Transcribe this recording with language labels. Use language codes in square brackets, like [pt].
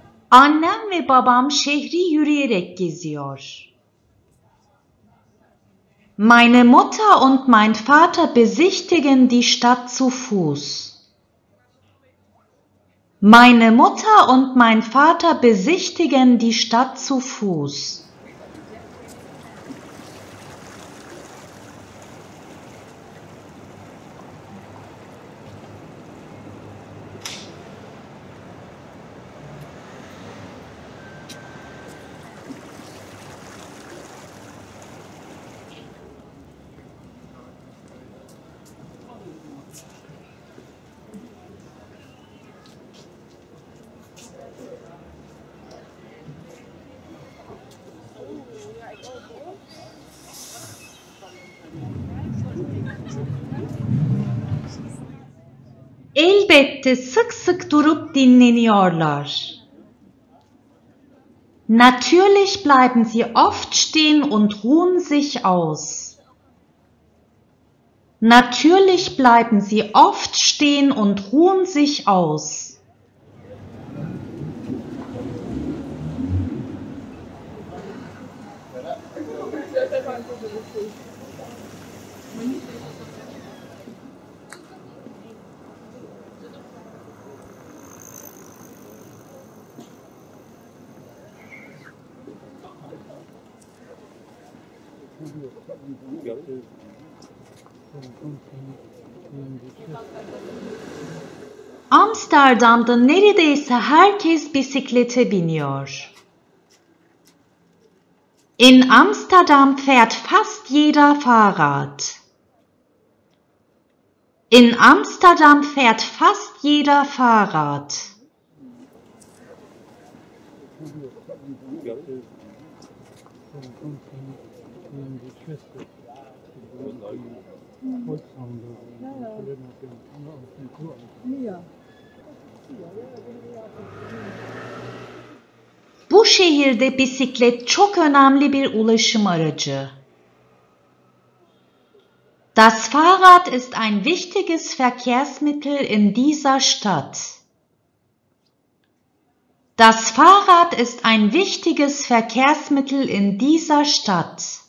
[tr] Annem ve babam şehri yürüyerek geziyor. [de] Meine Mutter und mein Vater besichtigen die Stadt zu Fuß. Meine Mutter und mein Vater besichtigen die Stadt zu Fuß. [tr] Elbette sık sık durup dinleniyorlar. [de] Natürlich bleiben sie oft stehen und ruhen sich aus. Natürlich bleiben sie oft stehen und ruhen sich aus. Ja. [tr] Amsterdam'da neredeyse herkes bisiklete biniyor. [de] In Amsterdam fährt fast jeder Fahrrad. In Amsterdam fährt fast jeder Fahrrad. [tr] Bu şehirde bisiklet çok önemli bir ulaşım aracı. [de] Das Fahrrad ist ein wichtiges Verkehrsmittel in dieser Stadt. Das Fahrrad ist ein wichtiges Verkehrsmittel in dieser Stadt.